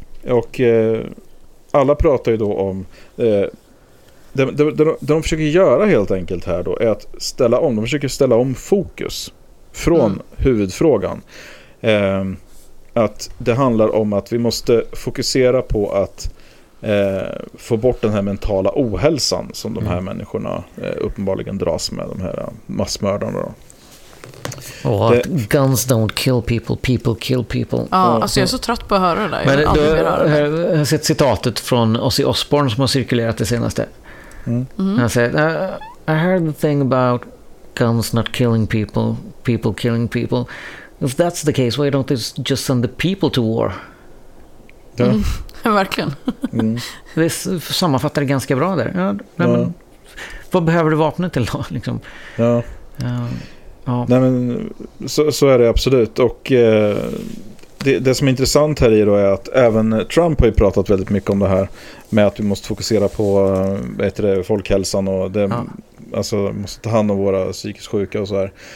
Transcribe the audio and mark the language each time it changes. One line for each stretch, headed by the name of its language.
Swedish: Och alla pratar ju då om det de försöker göra helt enkelt här då, är att ställa om, de försöker ställa om fokus från huvudfrågan, att det handlar om att vi måste fokusera på att få bort den här mentala ohälsan som de här människorna uppenbarligen dras med, de här massmördarna då.
English: Oh, det... Guns don't kill people, people kill people.
Swedish: Ja, alltså jag är så trött på att höra det där. Men jag har sett citatet från Ozzy Osbourne som har cirkulerat det senaste. Han säger,
English: I heard the thing about guns not killing people, people killing people. If that's the case, why don't they just send the people to war?
Swedish: Verkligen. Det sammanfattar det ganska bra där. Men, vad behöver du vapnet till då? Liksom? Ja. Nej, men så är det absolut. Och det som är intressant här i då är att även Trump har ju pratat väldigt mycket om det här med att vi måste fokusera på folkhälsan och det, alltså måste ta hand om våra psykiskt sjuka och så här.